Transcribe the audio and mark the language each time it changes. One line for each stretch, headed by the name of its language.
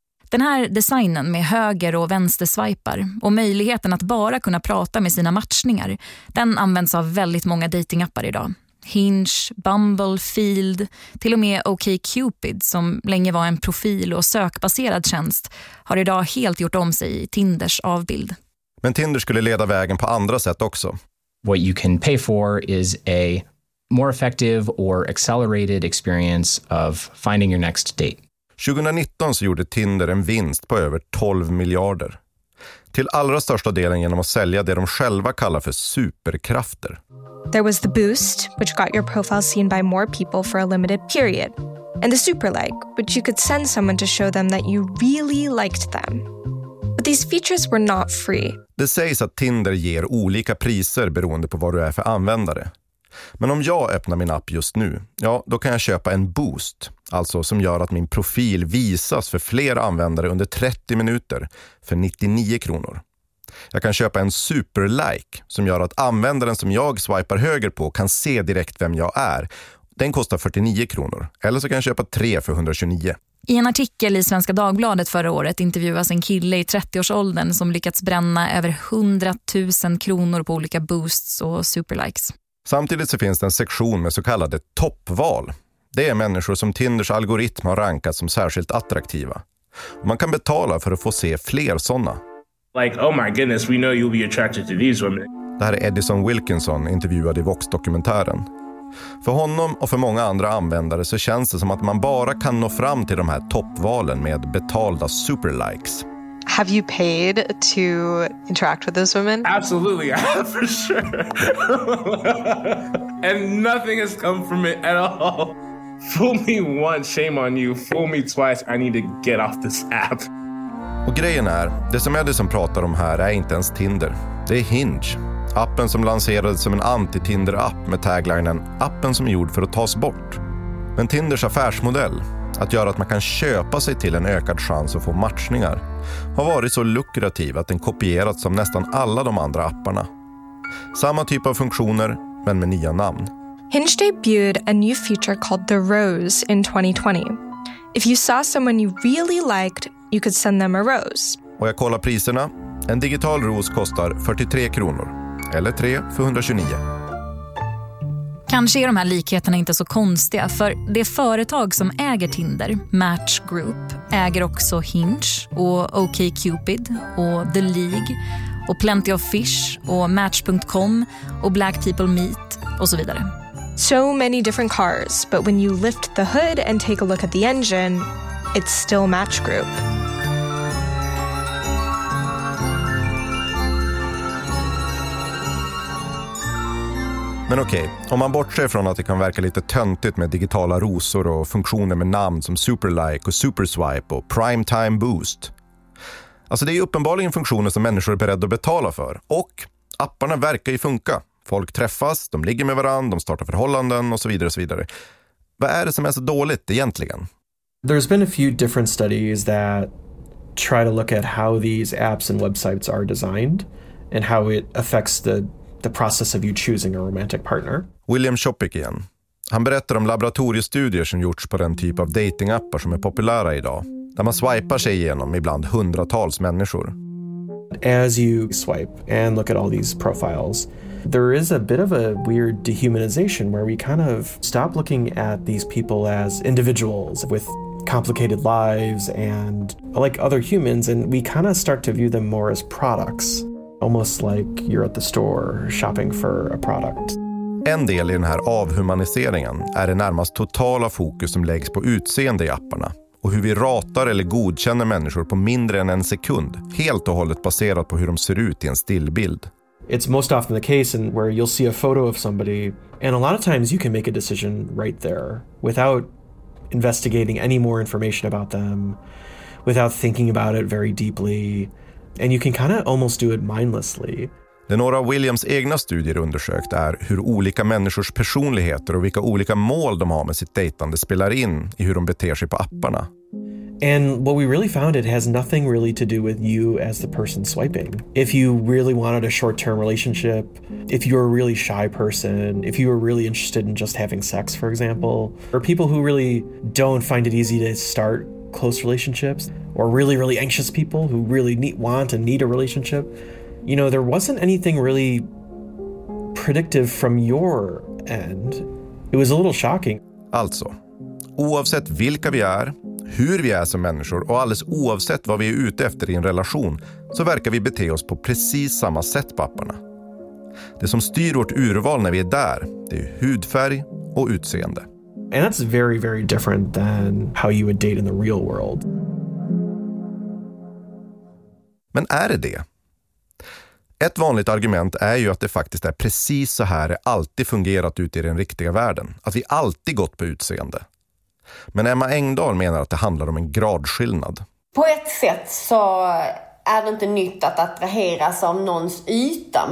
Swedish: Den här designen med höger- och vänsterswipar och möjligheten att bara kunna prata med sina matchningar, den används av väldigt många datingappar idag. Hinge, Bumble, Field, till och med OkCupid, som länge var en profil- och sökbaserad tjänst, har idag helt gjort om sig i Tinders avbild. Men Tinder skulle leda vägen på andra sätt också.
English: What you can pay for is a more effective or accelerated experience of finding your next date.
Swedish: 2019 så gjorde Tinder en vinst på över 12 miljarder. Till allra största delen genom att sälja det de själva kallar för superkrafter.
English: There was the boost, which got your profile seen by more people for a limited period. And the super like, which you could send someone to show them that you really liked them. But these features were not free.
Swedish: Det sägs att Tinder ger olika priser beroende på vad du är för användare. Men om jag öppnar min app just nu, ja, då kan jag köpa en boost. Alltså som gör att min profil visas för fler användare under 30 minuter för 99 kronor. Jag kan köpa en superlike som gör att användaren som jag swipar höger på kan se direkt vem jag är. Den kostar 49 kronor. Eller så kan jag köpa 3 för 129. I en artikel i Svenska Dagbladet förra året intervjuas en kille i 30-årsåldern som lyckats bränna över 100 000 kronor på olika boosts och superlikes. Samtidigt så finns det en sektion med så kallade toppval. Det är människor som Tinders algoritm har rankat som särskilt attraktiva. Man kan betala för att få se fler sådana.
English: Like, oh my goodness, we know you'll be attracted to these women.
Swedish: Det här är Edison Wilkinson, intervjuad i Vox-dokumentären. För honom och för många andra användare så känns det som att man bara kan nå fram till de här toppvalen med betalda superlikes.
English: Have you paid to interact with those women? Absolutely, for sure. And nothing has come from it at all. Fool me once, shame on you. Fool me twice, I need to get off this app.
Swedish: Och grejen är, det som Edison pratar om här är inte ens Tinder. Det är Hinge. Appen som lanserades som en anti-Tinder-app med taglinen appen som är gjord för att tas bort. Men Tinders affärsmodell, att göra att man kan köpa sig till en ökad chans att få matchningar, har varit så lukrativ att den kopierats som nästan alla de andra apparna. Samma typ av funktioner, men med nya namn.
English: Hinge debuted a new feature called The Rose in 2020. If you saw someone you really liked, you could send them a rose.
Swedish: Och jag kollar priserna. En digital ros kostar 43 kronor. Eller 3 för 129. Kanske är de här likheterna inte så konstiga, för det företag som äger Tinder, Match Group, äger också Hinge och OkCupid och The League och Plenty of Fish och Match.com och Black People Meet och så vidare.
English: So many different cars, but when you lift the hood and take a look at the engine, it's still Match Group.
Swedish: Men okej, om man bortser från att det kan verka lite töntigt med digitala rosor och funktioner med namn som Superlike och Superswipe och Primetime Boost. Alltså det är uppenbarligen funktioner som människor är beredda att betala för. Och apparna verkar ju funka. Folk träffas, de ligger med varandra, de startar förhållanden och så vidare och så vidare. Vad är det som är så dåligt egentligen?
English: There's been a few different studies that try to look at how these apps and websites are designed and how it affects the process of you choosing a romantic partner.
Swedish: William Shopik igen. Han berättar om laboratoriestudier som gjorts på den typ av datingappar som är populära idag, där man swipar sig igenom ibland hundratals människor.
English: As you swipe and look at all these profiles, there is a bit of a weird dehumanization where we kind of stop looking at these people as individuals with complicated lives and like other humans, and we kind of start to view them more as products. Almost like you're at the store shopping for a product.
Swedish: En del i den här avhumaniseringen är det närmast totala fokus som läggs på utseende i apparna och hur vi ratar eller godkänner människor på mindre än en sekund, helt och hållet baserat på hur de ser ut i en stillbild.
English: It's most often the case in where you'll see a photo of somebody and a lot of times you can make a decision right there without investigating any more information about them, without thinking about it very deeply. And you can kind of almost do it mindlessly.
Swedish: Det några av Williams egna studier undersökt är hur olika människors personligheter och vilka olika mål de har med sitt dejtande spelar in i hur de beter sig på apparna.
English: And what we really found, it has nothing really to do with you as the person swiping. If you really wanted a short-term relationship, if you're a really shy person, if you were really interested in just having sex, for example, or people who really don't find it easy to start close relationships, or really, really anxious people who really want and need a relationship, you know, there wasn't anything really predictive from your end. It was a little shocking.
Swedish: Alltså, oavsett vilka vi är, hur vi är som människor och alldeles oavsett vad vi är ute efter i en relation, så verkar vi bete oss på precis samma sätt på apparna. Det som styr vårt urval när vi är där, det är hudfärg och utseende.
English: And that's very, very different than how you would date in the real world.
Swedish: Men är det det? Ett vanligt argument är ju att det faktiskt är precis så här det alltid fungerat ute i den riktiga världen. Att vi alltid gått på utseende. Men Emma Engdahl menar att det handlar om en gradskillnad. På ett sätt så är det inte nytt att attraheras av någons yta.